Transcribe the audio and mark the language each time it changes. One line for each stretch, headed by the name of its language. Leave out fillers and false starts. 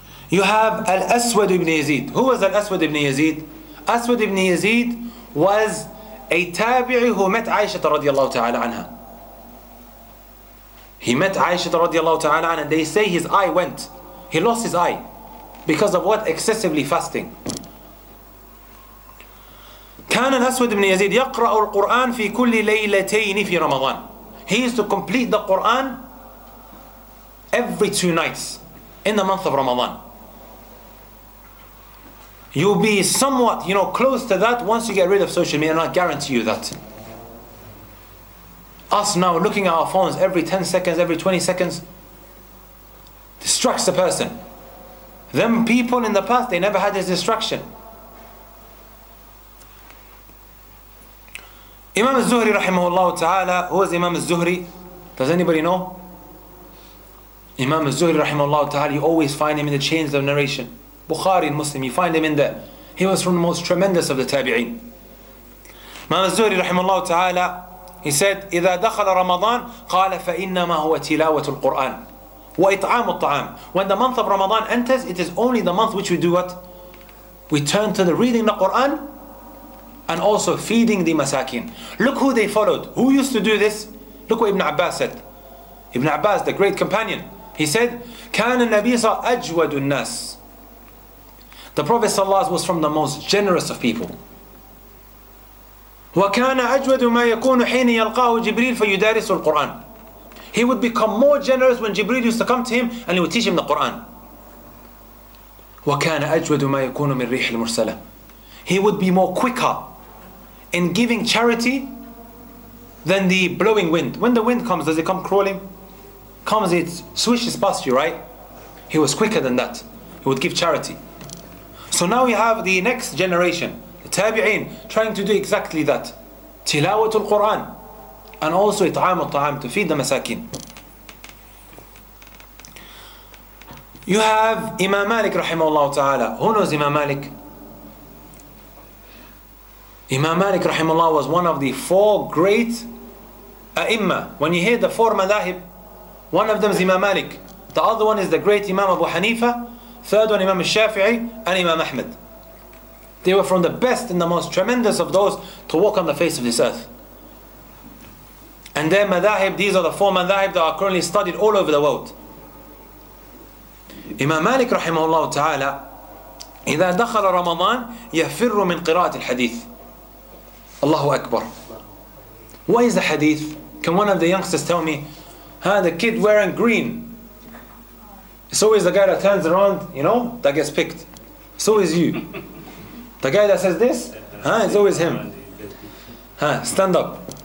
English: You have Al-Aswad ibn Yazid. Who was Al-Aswad ibn Yazid? Aswad ibn Yazid was a tabi'i who met Aisha radiallahu ta'ala anha. He met Aisha radiallahu ta'ala anha and they say his eye went. He lost his eye because of what? Excessively fasting.
Arabic: كان الأسود بن يزيد يقرأ القرآن في كل ليلتين في رمضان.
English: He used to complete the Quran every two nights in the month of Ramadan. You'll be somewhat, you know, close to that once you get rid of social media, and I guarantee you that. Us now looking at our phones every 10 seconds, every 20 seconds, distracts the person. Them people in the past, they never had this distraction. Imam al-Zuhri rahimahullah ta'ala, who is Imam al-Zuhri? Does anybody know? Imam al-Zuhri rahimahullah ta'ala, you always find him in the chains of narration. Bukhari and Muslim, you find him in there. He was from the most tremendous of the tabi'een. Imam al-Zuhri rahimahullah ta'ala, he said,
Arabic: إِذَا دَخَلَ رَمَضَانَ قَالَ فَإِنَّمَا هُوَ تِلَاوَةُ الْقُرْآنِ وَإِطْعَامُ الطَّعَامِ.
English: When the month of Ramadan enters, it is only the month which we do what? We turn to the reading the Qur'an and also feeding the masakin. Look who they followed. Who used to do this? Look what Ibn Abbas said. Ibn Abbas, the great companion, he said,
Arabic: كَانَ النَّبِيصَ أَجْوَدُ النَّاسِ.
English: The Prophet ﷺ was from the most generous of people.
Arabic: وَكَانَ أَجْوَدُ مَا يَكُونُ حِينِ يَلْقَاهُ جِبْرِيلُ فَيُدَارِسُ الْقُرْآنِ.
English: He would become more generous when Jibreel used to come to him and he would teach him the Qur'an.
Arabic: وكان أجود ما يكون من ريح المرسلة.
English: He would be more quicker in giving charity than the blowing wind. When the wind comes, does it come crawling? Comes, it swishes past you, right? He was quicker than that. He would give charity. So now we have the next generation, the tabi'in, trying to do exactly that. Tilawatul Quran. And also it'amul ta'am, to feed the masakin. You have Imam Malik rahimahullah ta'ala. Who knows Imam Malik? Imam Malik rahimahullah was one of the four great a'imma. When you hear the four madahib, one of them is Imam Malik. The other one is the great Imam Abu Hanifa. Third one, Imam Shafi'i and Imam Ahmed. They were from the best and the most tremendous of those to walk on the face of this earth. And their madahib, these are the four madahib that are currently studied all over the world. Imam Malik rahimahullah ta'ala,
Arabic: إذا دخل رمضان يفر من قراءة الحديث.
English: Allahu Akbar. What is the hadith? Can one of the youngsters tell me, the kid wearing green, it's always the guy that turns around, you know, that gets picked. It's always you. The guy that says this, it's always him. Stand up.